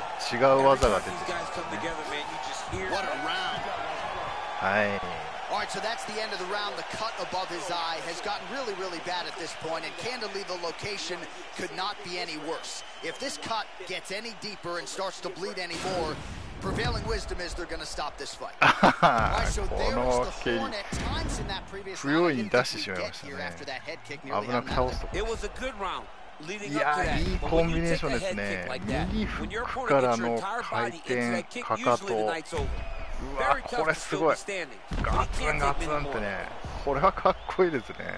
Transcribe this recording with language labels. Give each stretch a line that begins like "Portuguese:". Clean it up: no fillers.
Japanese: 違う技が出てきました
English: ね。What a round.
Japanese: はい。
English: All right, so that's the end of the round. The cut above his eye has gotten really, really bad at this point, and candidly, the location could not be any worse. If this cut gets any deeper and starts to bleed any more, prevailing wisdom is they're going to stop this fight. Right, so there was the Hornet. Times in that previous round, he didn't get here after that head kick nearly. It was a good round. leading up to that.
Japanese: いいコンビネーションですね。右フックからの回転かかと。うわこれすごい。ガツンガツンってね。これはかっこいいですね。